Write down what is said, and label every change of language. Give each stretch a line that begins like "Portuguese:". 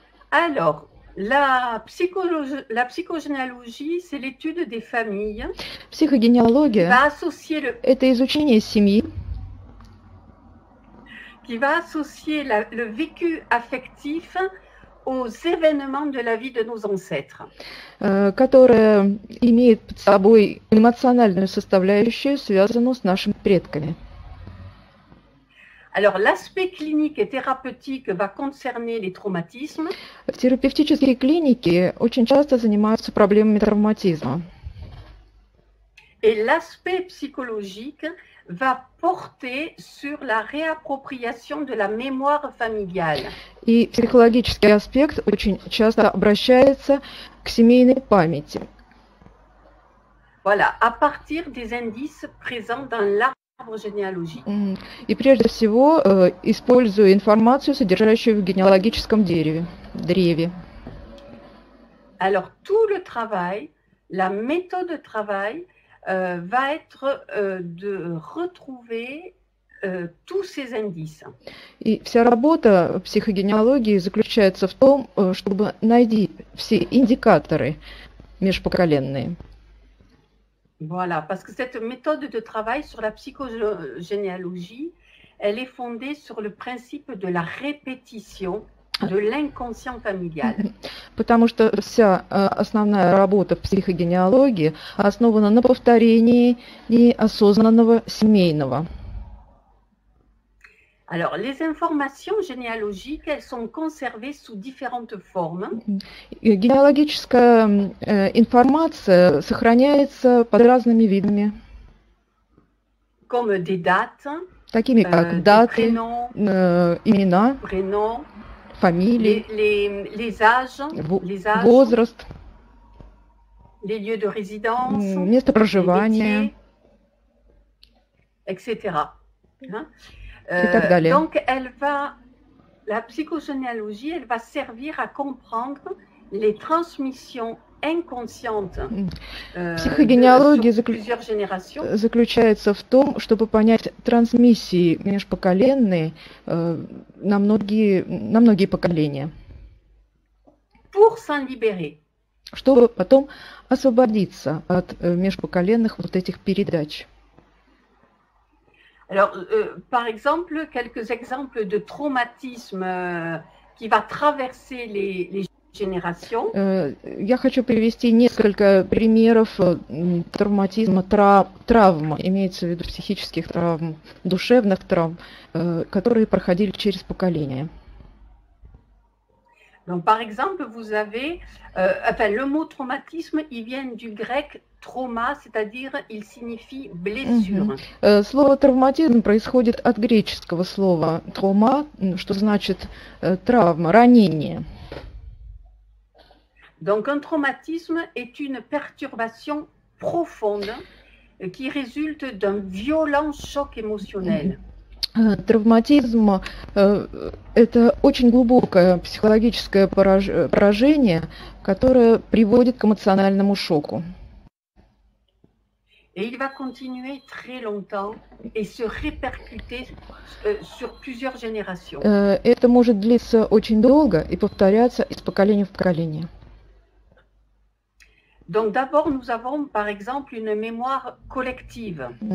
French: Alors, la psychogénéalogie, c'est l'étude des familles Psychogénéalogie est l'étude des familles. qui va associer le vécu affectif aux événements de la vie de nos ancêtres.
Russian: Которая имеет под собой эмоциональную составляющую, связанную с нашими предками.
French: Alors, l'aspect clinique et thérapeutique va concerner les traumatismes.
Russian: Терапевтические клиники очень часто занимаются проблемами травматизма.
French: Et l'aspect psychologique va porter sur la réappropriation de la mémoire familiale.
Russian: И психологический аспект очень часто обращается к семейной памяти.
French: Voilà, à partir des indices présents dans l'arbre généalogique.
Russian: И прежде всего, используя информацию, содержащую в генеалогическом древе.
French: Alors, tout le travail, la méthode de travail, va être de retrouver tous ces indices.
Russian: И вся работа психогенеалогии заключается в том, чтобы найти все индикаторы межпоколенные.
French: Voilà, parce que cette méthode de travail sur la psychogénéalogie, elle est fondée sur le principe de la répétition de l'inconscient familial.
Russian: Потому что вся основная работа в психогенеалогии основана на повторении неосознанного семейного.
French: Alors, les informations généalogiques, elles sont conservées sous différentes formes.
Russian: Генеалогическая информация сохраняется под разными видами.
French: Comme des dates,
Russian: такими как даты,
French: des prénoms,
Russian: имена,
French: prénoms,
Russian: фамилии,
French: les âges,
Russian: возраст,
French: les lieux de résidence,
Russian: место проживания,
French: etc. Hein?
Russian: Et так далее.
French: Donc, la psychogénéalogie, elle va servir à comprendre les transmissions inconscientes sur plusieurs générations.
Russian: Заключается в том, чтобы понять трансмиссии межпоколенные на многие поколения.
French: Pour s'en libérer.
Russian: Чтобы потом освободиться от межпоколенных вот этих передач.
French: Alors, par exemple, quelques exemples de traumatismes qui va traverser les générations.
Russian: Я хочу привести несколько примеров травматизма, травм, имеется в виду психических травм, душевных травм, которые проходили через поколения.
French: Donc, par exemple, vous avez, le mot traumatisme, il vient du grec trauma, c'est-à-dire, il signifie blessure. Mm-hmm.
Russian: Слово травматизм происходит от греческого слова trauma, что значит травма, ранение.
French: Donc, un traumatisme est une perturbation profonde qui résulte d'un violent choc émotionnel. Mm-hmm.
Russian: Травматизм – это очень глубокое психологическое поражение, которое приводит к эмоциональному шоку.
French: Et il va continuer très longtemps et se répercuter sur plusieurs générations.
Russian: Это может длиться очень долго и повторяться из поколения в поколение.
French: Donc d'abord, nous avons, par exemple, une mémoire collective.